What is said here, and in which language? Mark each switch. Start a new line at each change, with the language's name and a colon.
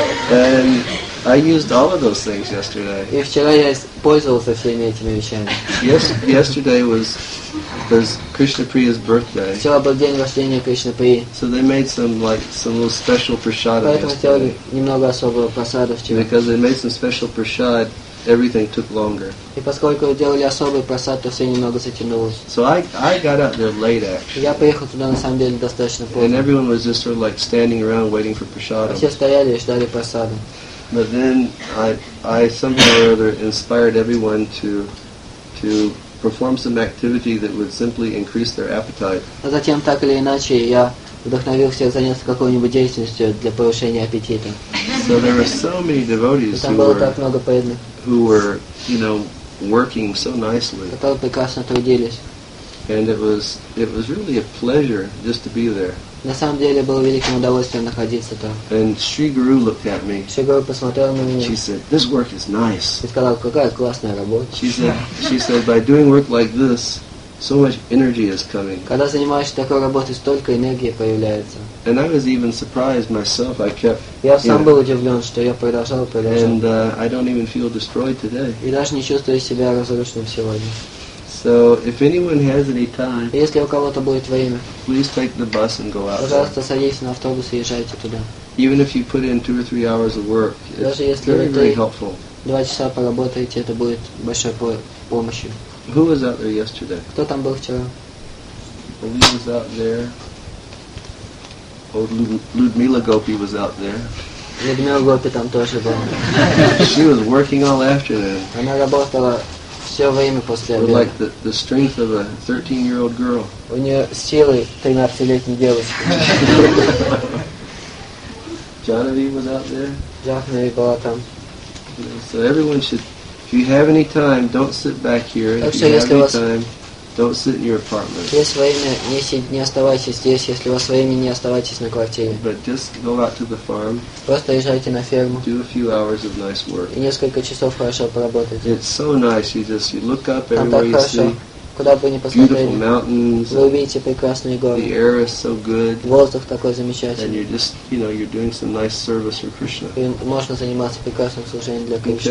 English: And I used all of those things yesterday.
Russian: И вчера я пользовался всеми этими вещами.
English: Yes, yesterday was Krishna Priya's birthday.
Russian: Вчера был день рождения Кришна Прии.
English: So they made some little special prasad.
Russian: Поэтому сделали немного особого просада вчера.
English: Because they made some special prasad, everything took longer.
Russian: И поскольку делали особый просад, то все немного затянулось.
English: So I got out there late, actually.
Russian: Я приехал туда на самом деле достаточно поздно.
English: And everyone was just sort of like standing around waiting for prasad.
Russian: Все стояли и ждали просада.
English: But then I somehow or other inspired everyone to perform some activity that would simply increase their appetite.
Russian: А затем так или иначе я вдохновил всех заняться какой-нибудь деятельностью для повышения аппетита.
English: So there were so many devotees who were you know working so nicely.
Russian: Которые прекрасно трудились.
English: And it was really a pleasure just to be there.
Russian: На самом деле было великим удовольствием находиться там.
English: And Sri Guru looked at me.
Russian: Sri Guru посмотрел на меня.
English: She said, "This work is nice."
Russian: И сказал, какая классная работа.
English: She said, "By doing work like this, so much energy is coming."
Russian: Когда занимаешься такой работой, столько энергии появляется.
English: And I was even surprised myself. I kept.
Russian: Я сам был удивлен, что я продолжал.
English: And I don't even feel destroyed today.
Russian: И даже не чувствую себя разрушенным сегодня.
English: So if anyone has any time,
Russian: если у кого-то будет время,
English: please take the bus and go out.
Russian: Пожалуйста, садитесь на автобус и езжайте туда.
English: Even if you put in 2 or 3 hours of work,
Russian: даже
English: it's very, very helpful.
Russian: 2 часа поработаете, это будет большой помощью.
English: Who was out there yesterday?
Russian: Кто там был вчера?
English: Well, he was out there. Old Ludmila Gopi was out there.
Russian: Ludmila Gopi там тоже была.
English: She was working all afternoon.
Russian: Она работала.
English: Like the strength of a 13-year-old girl.
Russian: У неё силы 13-летней девочки.
English: Janavi was out there.
Russian: Janavi была там.
English: So everyone should, if you have any time, don't sit back here. If you have any time, don't sit in your apartment.
Russian: Если время, не оставайтесь здесь. Если у вас время, не оставайтесь на квартире.
English: But just go out to the farm.
Russian: Просто езжайте на ферму.
English: Do a few hours of nice work.
Russian: И несколько часов хорошо поработать.
English: It's so nice. You look up everywhere you see.
Russian: Куда бы ни посмотрели.
English: Beautiful mountains.
Russian: Вы увидите прекрасные горы.
English: The air is so good.
Russian: Воздух такой замечательный.
English: And you're just, you know, you're doing some nice service for Krishna.
Russian: И можно заниматься прекрасным служением для Кришны.